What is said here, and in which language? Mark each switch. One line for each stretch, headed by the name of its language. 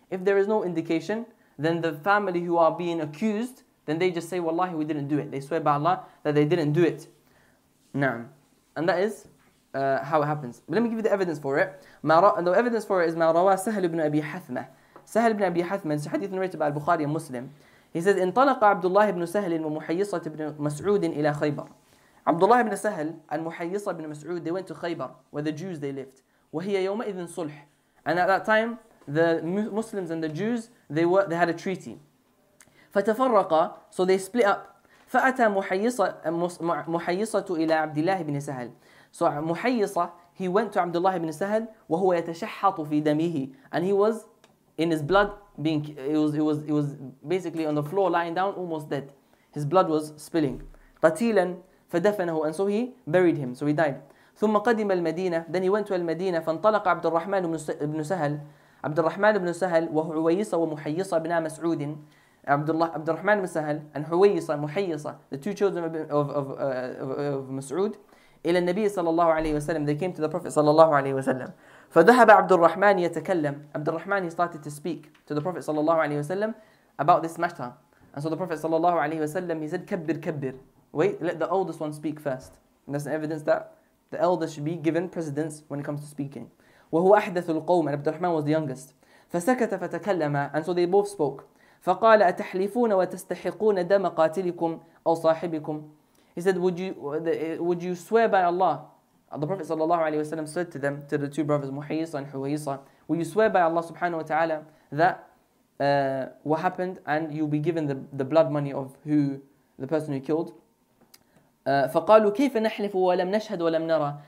English: If there is no indication, then the family who are being accused, then they just say, wallahi, we didn't do it. They swear by Allah that they didn't do it. Na'am. And that is how it happens. But let me give you the evidence for it. The evidence for it is
Arabic: مَا رَوَى سَهْلُ بْنُ أَبِي حَثْمَةَ. سهل بن أبي حثمة.
English: It's a hadith narrated by Al-Bukhari and Muslim. He says,
Arabic: انطلق عبد الله بن سهل ومحيصة بن مسعود إلى خيبر.
English: عبد الله بن سهل and محيصة بن مسعود, they went to خيبر, where the Jews they lived.
Arabic: وهي يومئذ صلح.
English: And at that time, the Muslims and the Jews, they had a treaty.
Arabic: فتفرق,
English: so they split up.
Arabic: فأتى محيصة, محيصة إلى عبد الله بن سهل.
English: So محيصة, he went to عبد الله بن سهل
Arabic: وهو يتشحط في دمه.
English: And he was in his blood, he was basically on the floor, lying down, almost dead. His blood was spilling.
Arabic: قَتِيلًا فَدَفَنَهُ.
English: And so he buried him, so he died.
Arabic: ثُمَّ قَدِمَ الْمَدِينَةِ.
English: Then he went to Al-Madinah.
Arabic: فَانْطَلَقَ عَبْدُ الرَّحْمَنُ بْنُ سَهَلٍ. عَبْدُ الرَّحْمَنُ بْنُ سَهَلٍ وَهُوَيِّصَ وَمُحَيِّصَ بْنَا مَسْعُودٍ.
English: عَبْدُ الرَّحْمَنُ بْنُ سَهَلٍ and Huwayisa, Muhayisa, the two children of Mas'ud,
Arabic: إِلَى النَّبِيِّ صَلَّى اللَّهُ عَلَيْهِ وَسَلَّمَ.
English: They came to the Prophet صَلَّى اللَّهُ عَلَيْهِ وَسَلَّمَ.
Arabic: فذهب عبد الرحمن يتكلم.
English: عبد الرحمن, he started to speak to the Prophet صلى الله عليه وسلم about this matter. And so the Prophet صلى الله عليه وسلم, he said,
Arabic: كبر كبر.
English: Wait, let the oldest one speak first. And that's an evidence that the eldest should be given precedence when it comes to speaking.
Arabic: وهو أحدث القوم.
English: And عبد الرحمن was the youngest.
Arabic: فسكت فتكلم.
English: And so they both spoke.
Arabic: فقال أتحلفون وتستحقون دم قاتلكم أو صاحبكم.
English: He said, would you swear by Allah? The Prophet sallallahu alaihi wasallam said to them, to the two brothers, Muhayisa and Huwayisa, will you swear by Allah subhanahu wa ta'ala that what happened, and you'll be given the blood money of who, the person who killed?
Arabic: فَقَالُوا كَيْفَ نَحْلِفُ وَلَمْ نَشْهَدُ وَلَمْ نَرَى.